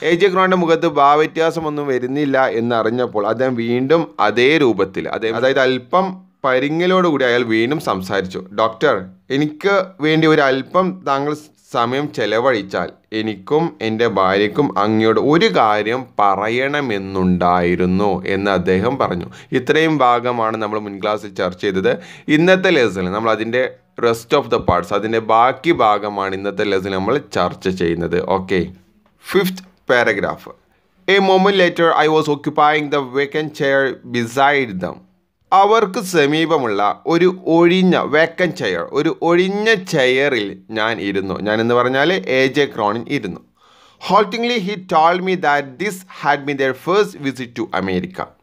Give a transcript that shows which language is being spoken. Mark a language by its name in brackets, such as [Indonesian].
[Malayalam] AJ ക്രോണിൻ്റെ മുഖത്ത് ഭാവവ്യത്യാസമൊന്നും വരുന്നില്ല എന്നറിഞ്ഞപ്പോൾ അദ്ദേഹം വീണ്ടും അതേ രൂപത്തിൽ, അതായത് അല്പം പരിങ്ങലോടുകൂടി അയാൾ വീണ്ടും സംസാരിച്ചു, ഡോക്ടർ എനിക്ക് വേണ്ടി ഒരു അല്പം താങ്കൾ സമയം ചെലവഴിച്ചാൽ എനിക്കും എൻ്റെ ഭാര്യയ്ക്കും അങ്ങയോട് ഒരു കാര്യം പറയണമെന്നുണ്ടായിരുന്നു എന്ന് അദ്ദേഹം പറഞ്ഞു. ഇത്രയും ഭാഗമാണ് നമ്മൾ മുൻ ക്ലാസ്സിൽ ചർച്ച ചെയ്തത്. ഇന്നത്തെ ലെസണിൽ നമ്മൾ അതിൻ്റെ [English] rest of the parts, [Malayalam] അതിൻ്റെ ബാക്കി ഭാഗമാണ് ഇന്നത്തെ ലെസണിൽ നമ്മൾ ചർച്ച ചെയ്യുന്നത്. [English] Okay, 5th paragraph. A moment later I was occupying the vacant chair beside them. [Malayalam] അവർക്ക് സമീപമുള്ള ഒരു ഒഴിഞ്ഞ വേക്കന്റ് ചെയർ, ഒരു ഒഴിഞ്ഞ ചെയറിൽ ഞാൻ ഇരുന്നു. ഞാനെന്ന് പറഞ്ഞാൽ എജെ ക്രോണിൻ ഇരുന്നു. [English] Haltingly he told me that this had been their first visit to America.